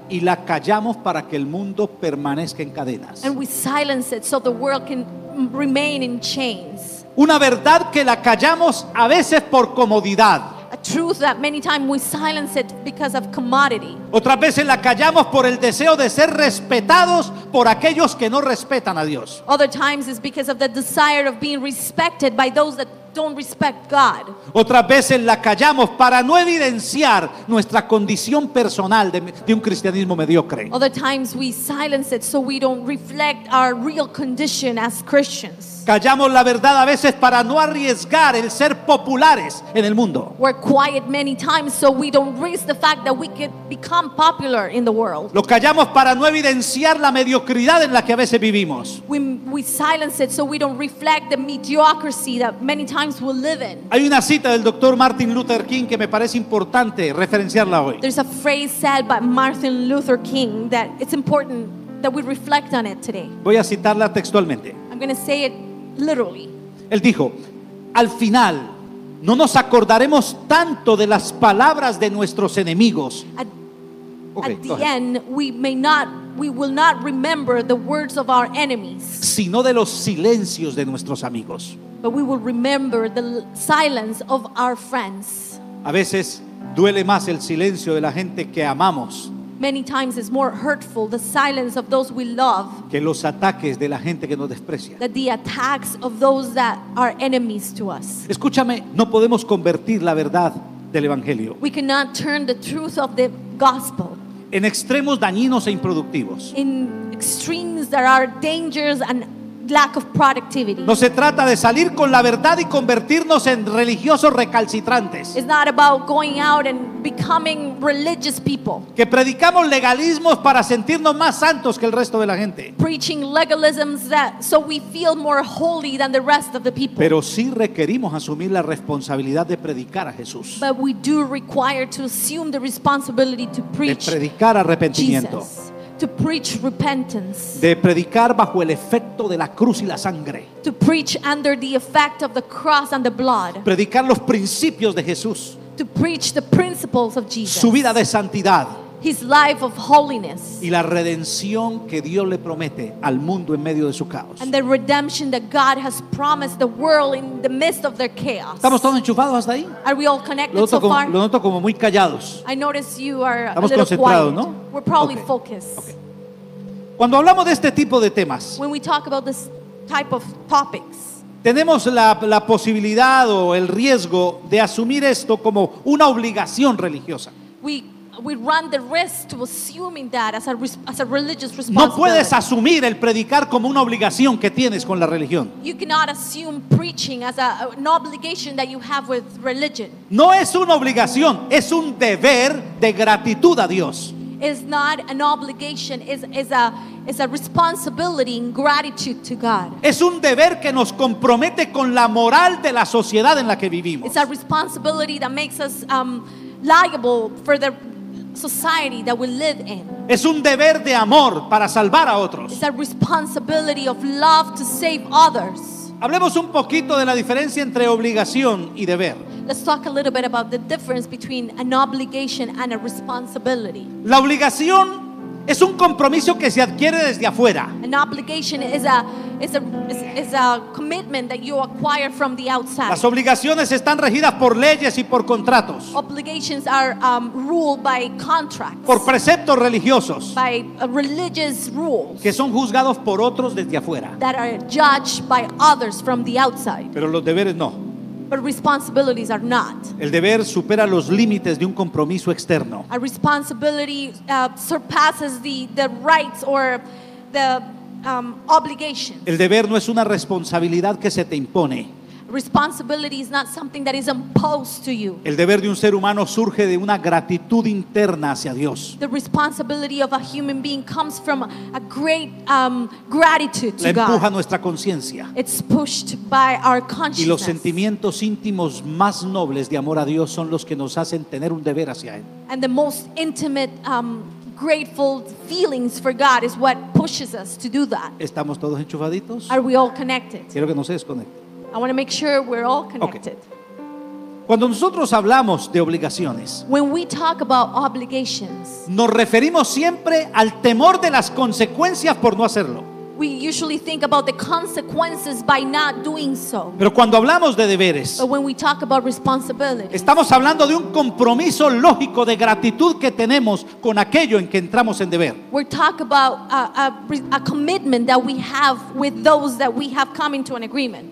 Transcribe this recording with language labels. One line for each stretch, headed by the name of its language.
Spanish: Y la callamos para que el mundo permanezca en cadenas.
English: And we silence it so the world can remain in chains.
Spanish: Una verdad que la callamos a veces por comodidad.
English: A truth that many times we silence it because of commodity.
Spanish: Otras veces la callamos por el deseo de ser respetados por aquellos que no respetan a Dios.
English: Other times it's because of the desire of being respected by those that don't respect God.
Spanish: Otras veces la callamos para no evidenciar nuestra condición personal de un cristianismo mediocre.
English: Other times we silence it so we don't reflect our real condition as Christians.
Spanish: Callamos la verdad a veces para no arriesgar el ser populares en el mundo.
English: We're quiet many times so we don't risk the fact that we could become popular in the world.
Spanish: Lo callamos para no evidenciar la mediocridad en la que a veces vivimos.
English: We silence it so we don't reflect the mediocrity that many times we live in.
Spanish: Hay una cita del Dr. Martin Luther King que me parece importante referenciarla hoy.
English: There's a phrase said by Martin Luther King that it's important that we reflect on it today.
Spanish: Voy a citarla textualmente.
English: Going to say it literally.
Spanish: Él dijo, al final no nos acordaremos tanto de las palabras de nuestros enemigos.
English: At the end, we will not remember the words of our enemies,
Spanish: sino de los silencios de nuestros amigos.
English: But we will remember the silence of our friends.
Spanish: A veces duele más el silencio de la gente que amamos.
English: Many times it's more hurtful the silence of those we love
Spanish: que los ataques de la gente que nos desprecia
English: than the attacks of those that are enemies to us.
Spanish: Escúchame, no podemos convertir la verdad del evangelio.
English: We cannot turn the truth of the gospel
Spanish: en extremos dañinos e improductivos
English: in extremes that are dangerous and lack of productivity.
Spanish: No se trata de salir con la verdad y convertirnos en religiosos recalcitrantes.
English: It's not about going out and becoming religious people.
Spanish: Que predicamos legalismos para sentirnos más santos que el resto de la gente.
English: Preaching legalisms that so we feel more holy than the rest of the people.
Spanish: Pero sí requerimos asumir la responsabilidad de predicar a Jesús.
English: But we do require to assume the responsibility to preach.
Spanish: De predicar arrepentimiento.
English: Jesus. To preach repentance,
Spanish: de predicar bajo el efecto de la cruz y la sangre.
English: To preach under the effect of the cross and the blood.
Spanish: Predicar los principios de Jesús.
English: To preach the principles of Jesus.
Spanish: Su vida de santidad.
English: His life of holiness.
Spanish: Y la redención que Dios le promete al mundo en medio de su caos.
English: And the redemption that God has promised the world in the midst of their chaos.
Spanish: ¿Estamos todos enchufados hasta ahí?
English: Are we all connected so far?
Spanish: Lo noto como muy callados.
English: I notice you are
Spanish: estamos
English: a little
Spanish: concentrados, ¿No?
English: We're probably okay. Focused.
Spanish: Okay. Cuando hablamos de este tipo de temas,
English: when we talk about this type of topics,
Spanish: tenemos la posibilidad o el riesgo de asumir esto como una obligación religiosa.
English: We run the risk to assuming that as a religious responsibility.
Spanish: No puedes asumir el predicar como una obligación que tienes con la religión.
English: You cannot assume preaching as an obligation that you have with religion.
Spanish: No es una obligación, es un deber de gratitud a Dios.
English: It's not an obligation, it's a responsibility in gratitude to God.
Spanish: Es un deber que nos compromete con la moral de la sociedad en la que vivimos.
English: It's a responsibility that makes us liable for the society that we live in.
Spanish: Es un deber de amor para salvar a otros.
English: It's a responsibility of love to save others.
Spanish: Hablemos un poquito de la diferencia entre obligación y deber.
English: Let's talk a little bit about the difference between an obligation and a responsibility.
Spanish: La obligación es un compromiso que se adquiere desde afuera.
English: An obligation is a commitment that you acquire from the outside.
Spanish: Las obligaciones están regidas por leyes y por contratos.
English: Obligations are ruled by contracts.
Spanish: Por preceptos religiosos.
English: By religious rules.
Spanish: Que son juzgados por otros desde afuera.
English: That are judged by others from the outside.
Spanish: Pero los deberes no.
English: But responsibilities are not.
Spanish: El deber supera los límites de un compromiso externo.
English: A responsibility surpasses the rights or the obligations.
Spanish: El deber no es una responsabilidad que se te impone.
English: Responsibility is not something that is imposed to you.
Spanish: El deber de un ser humano surge de una gratitud interna hacia Dios.
English: The responsibility of a human being comes from a great gratitude to God.
Spanish: La empuja nuestra conciencia.
English: It's pushed by our conscience.
Spanish: Y los sentimientos íntimos más nobles de amor a Dios son los que nos hacen tener un deber hacia Él.
English: And the most intimate grateful feelings for God is what pushes us to do that.
Spanish: ¿Estamos todos enchufaditos?
English: Are we all connected?
Spanish: Quiero que no se desconecte.
English: I want to make sure we're all connected.
Spanish: Okay. Cuando nosotros hablamos de obligaciones,
English: when we talk about obligations,
Spanish: nos referimos siempre al temor de las consecuencias por no hacerlo.
English: We usually think about the consequences by not doing so.
Spanish: Pero cuando hablamos de deberes,
English: but when we talk about responsibilities,
Spanish: estamos hablando de un compromiso lógico de gratitud que tenemos con aquello en que entramos en deber.
English: We talk about a commitment that we have with those that we have come into an agreement.